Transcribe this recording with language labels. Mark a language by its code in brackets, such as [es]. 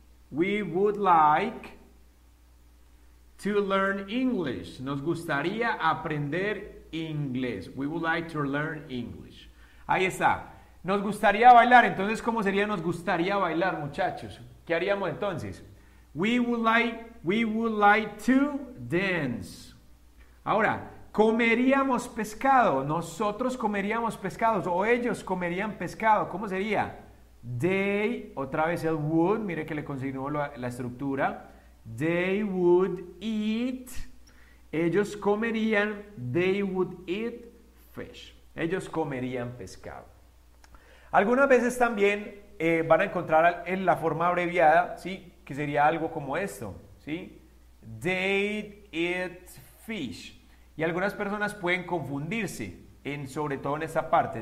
[en] We would like to learn English. [es] Nos gustaría aprender inglés. [en] We would like to learn English. [es] Ahí está. Nos gustaría bailar. Entonces, ¿cómo sería nos gustaría bailar, muchachos? ¿Qué haríamos entonces? [en] We would like to dance. [es] Ahora, comeríamos pescado. Nosotros comeríamos pescados o ellos comerían pescado. ¿Cómo sería? They, otra vez el would, mire que le consignó la estructura. [en] They would eat, [es] ellos comerían, [en] they would eat fish. [es] Ellos comerían pescado. Algunas veces también van a encontrar en la forma abreviada, ¿sí? Que sería algo como esto, ¿sí? [en] They eat fish. [es] Y algunas personas pueden confundirse, sobre todo en esta parte.